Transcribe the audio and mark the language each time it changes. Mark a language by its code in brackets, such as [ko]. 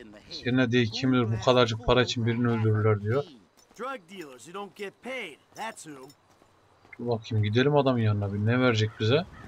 [tr] Senin de kim bilir bu kadarcık para için birini öldürürler diyor. [en] Drug dealers who don't get paid, that's who. [tr] Dur bakayım, gidelim adamın yanına, bir ne verecek bize?